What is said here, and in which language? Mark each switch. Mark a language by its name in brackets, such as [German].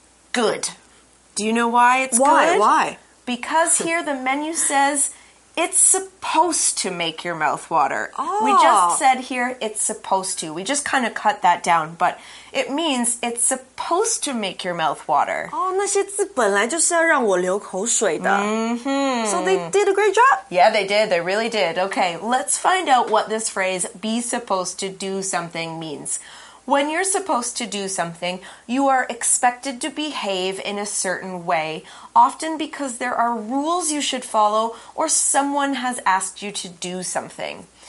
[English] Good. Do you know why it's why? Good? Why? Because here the menu says it's supposed to make your mouth water. Oh. We just said here it's supposed to. We just kind of cut that down, but... It means it's supposed to make your mouth water. [Chinese] Oh, 那些字本来就是要让我流口水的。 [English] So they did a great job. Yeah, they did. They really did. Okay, let's find out what this phrase, be supposed to do something, means. When you're supposed to do something, you are expected to behave in a certain way, often because there are rules you should follow or someone has asked you to do something.